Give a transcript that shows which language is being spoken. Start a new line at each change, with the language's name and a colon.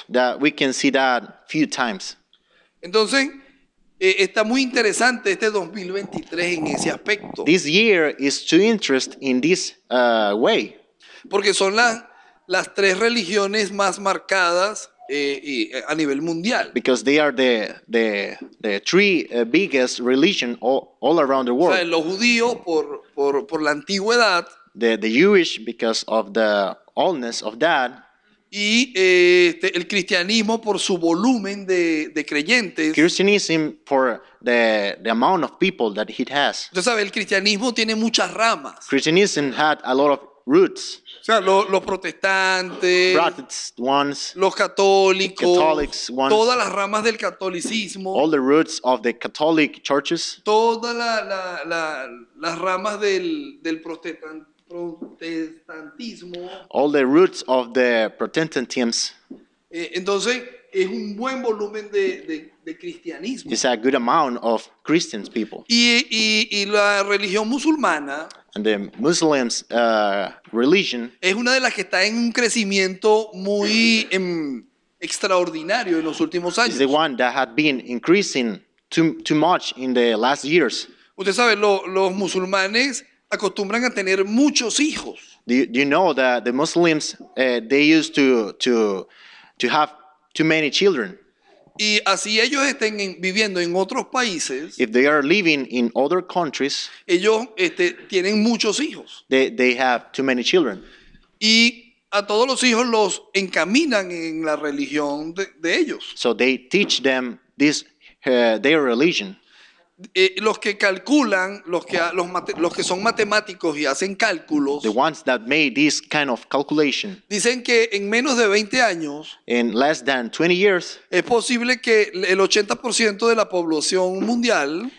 English: That we can see that few times.
Spanish: Entonces, está muy interesante este 2023 en ese aspecto.
English: This year is too interesting in this way.
Spanish: Porque son las tres religiones más marcadas a nivel mundial.
English: Because they are the three biggest religion all around the world.
Spanish: O sea, los judíos por la antigüedad.
English: The Jewish because of the oldness of that.
Spanish: Y el cristianismo por su volumen de creyentes.
English: Christianism for the amount of people that it has.
Spanish: Usted sabe, el cristianismo tiene muchas ramas.
English: Christianism had a lot of roots.
Spanish: O sea, los protestantes,
English: ones,
Spanish: los católicos,
English: Catholics ones,
Spanish: todas las ramas del catolicismo,
English: all the roots of the Catholic churches,
Spanish: todas las ramas del protestantismo,
English: all the roots of the Protestantisms.
Spanish: Entonces es un buen volumen de cristianismo.
English: It's a good amount of Christians people.
Spanish: Y la religión musulmana,
English: And the Muslims' religion
Spanish: es una de las que está en un crecimiento muy extraordinario en los últimos años.
English: Is the one that had been increasing too much in the last years.
Spanish: Usted sabe, los musulmanes acostumbran a tener muchos hijos.
English: Do you know that the Muslims they used to have too many children?
Spanish: Y así ellos estén viviendo en otros países,
English: if they are living in other countries,
Spanish: ellos tienen muchos hijos.
English: They have too many children.
Spanish: Y a todos los hijos los encaminan en la religión de ellos.
English: So they teach them this their religion.
Spanish: Los que calculan, los que son matemáticos y hacen cálculos,
English: the ones that made this kind of calculation,
Spanish: dicen que en menos de 20 años,
English: in less than 20 years,
Spanish: es posible que el 80% de la población mundial,